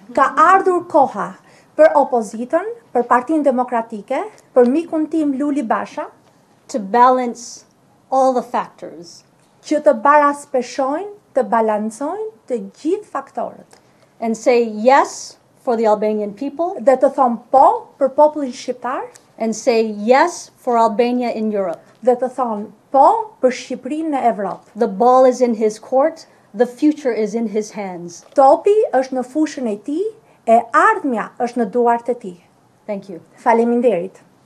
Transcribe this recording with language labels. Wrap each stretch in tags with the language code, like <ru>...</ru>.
<sq>Ka ardhur koha për opozitën, për Partinë Demokratike, për mikun tim Luli Basha,</sq> <en>to balance all the factors.</en> <sq>Që të baraspeshojnë, të balancojnë të gjithë faktorët.</sq> <en>And say yes for the Albanian people.</en> <sq>Dhe të thonë po për popullin shqiptar.</sq> <en>And say yes for Albania in Europe.</en> <sq>Dhe të thonë po për Shqipërinë në Evropë.</sq> <en>The ball is in his court, the future is in his hands.</en> <sq>Topi është në fushën e ti, e ardhmja është në duart e ti.</sq> <en>Thank you.</en> <sq>Faleminderit.</sq>